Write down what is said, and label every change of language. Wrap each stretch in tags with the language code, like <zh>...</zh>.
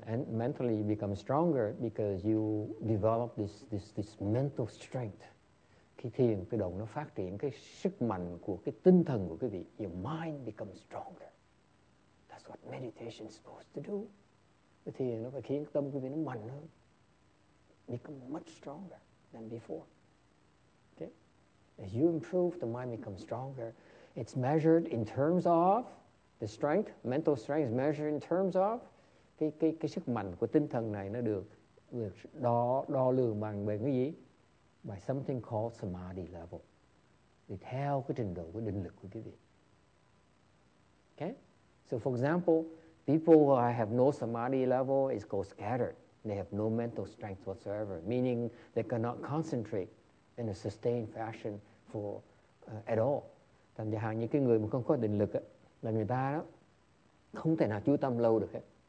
<en>Mentally, you become stronger because you develop this mental strength.</en> <vi>cái thiền tự động nó phát triển cái sức mạnh của cái tinh thần của quý vị.</vi> <en>Your mind becomes stronger. That's what meditation is supposed to do.</en> <vi>Cái thiền nó phải khiến tâm quý vị nó mạnh hơn.</vi> <en>Become much stronger than before. Okay? As you improve, the mind becomes stronger. It's measured in terms of the strength. Mental strength is measured in terms of</en> <vi>cái sức mạnh của tinh thần này nó được đo lường bằng về cái gì?</vi> <en>By something called samadhi level.</en> <vi>Thì theo cái trình độ của định lực của quý vị. Okay?</vi> <en>So for example, people who have no samadhi level is called scattered. They have no mental strength whatsoever, meaning they cannot concentrate in a sustained fashion for at all.</en> <vi>Thành ra hàng những cái người mà không có định lực ấy, là người ta đó không thể nào chú tâm lâu được hết.</vi>